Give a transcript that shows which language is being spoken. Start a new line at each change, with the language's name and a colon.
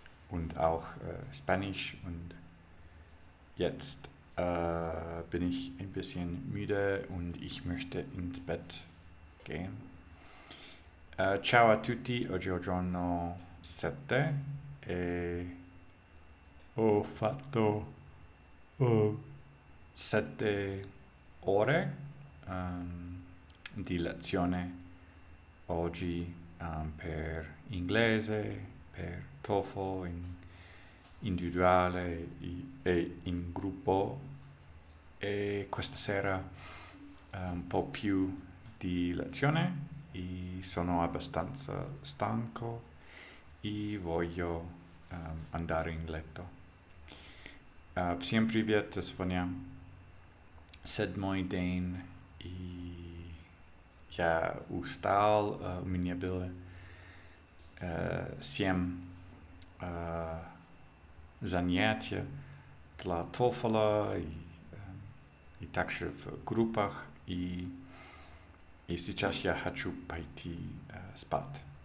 German: und auch Spanisch, und jetzt bin ich ein bisschen müde und ich möchte ins Bett gehen.
Italian: Ciao a tutti, oggi è giorno 7 e ho fatto 7 ore di lezione oggi per inglese, per TOEFL individuale e in gruppo, e questa sera un po' più di lezione e sono abbastanza stanco e voglio andare in letto.
Russian: Всем привет, до свидания. Седьмой день, и я устал. У меня было 7 занятий для TOEFL и также в группах, и сейчас я хочу пойти спать.